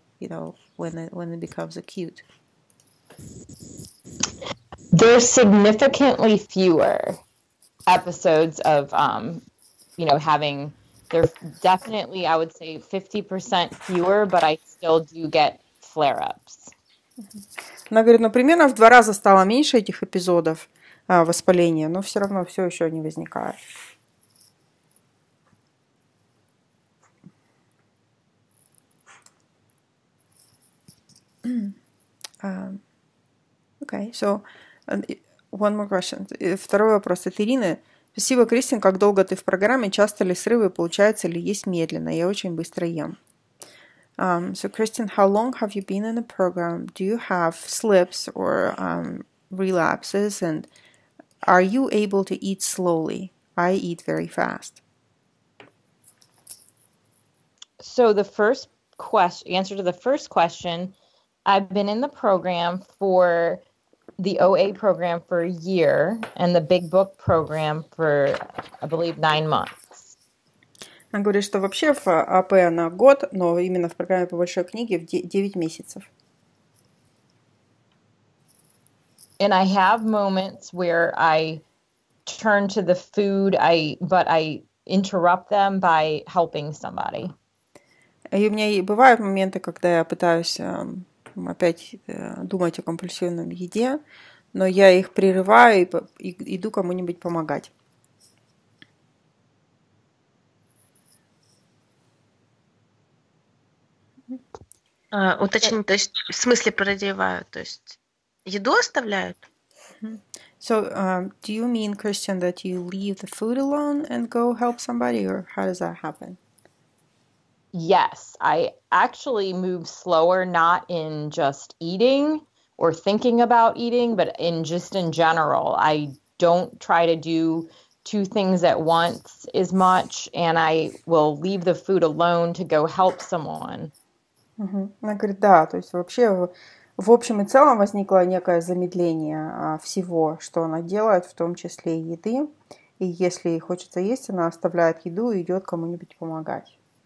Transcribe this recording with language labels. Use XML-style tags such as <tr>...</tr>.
<en>you know, when it becomes acute? There's significantly fewer episodes of, having, there's definitely, I would say, 50% fewer, but I still do get flare-ups.</en> <ru>Она говорит, ну, примерно в два раза стало меньше этих эпизодов воспаления, но все равно все еще не возникает.</ru> <en>Okay, so one more question.</en> <ru>Второй вопрос от Ирины. Спасибо, Кристин, как долго ты в программе? Часто ли срывы? Получается ли есть медленно? Я очень быстро ем.</ru> <en>So, Kristin, how long have you been in the program? Do you have slips or relapses? And are you able to eat slowly? I eat very fast. So, the first answer to the first question... I've been in the program for the OA program for a year and the Big Book program for, I believe, 9 months.</en> <ru>Она говорит, что вообще в АП на год, но именно в программе по большой книге в 9 месяцев.</ru> <en>And I have moments where I turn to the food, but I interrupt them by helping somebody.</en> <ru>И у меня бывают моменты, когда я пытаюсь... опять думать о компульсивном еде, но я их прерываю и иду кому-нибудь помогать. Уточни, то есть в смысле продлевают, то есть еду оставляют?</ru> <en>So, do you mean, Christian, that you leave the food alone and go help somebody, or how does that happen? Yes, I actually move slower, not in just eating or thinking about eating, but in just in general. I don't try to do two things at once as much, and I will leave the food alone to go help someone.</en> <ru>Она говорит, да, то есть вообще в общем и целом возникло некое замедление всего, что она делает, в том числе и еды. И если ей хочется есть, она оставляет еду и идет кому-нибудь помогать.</ru>